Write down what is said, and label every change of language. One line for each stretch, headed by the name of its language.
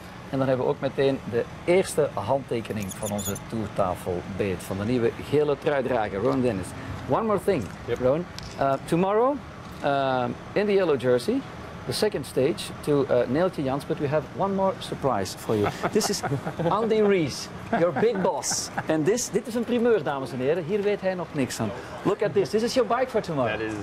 Dutch: En dan hebben we ook meteen de eerste handtekening van onze toertafelbeet van de nieuwe gele truidrager, Rowan Dennis.
English: One more thing, yep. Rowan. Tomorrow, in the yellow jersey, the second stage to Neeltje Jans, but we have one more surprise for you. This is Andy Rees, your big boss. And this is
Dutch: een primeur, dames en heren. Hier weet hij nog niks van.
English: Look at this. This is your bike for tomorrow.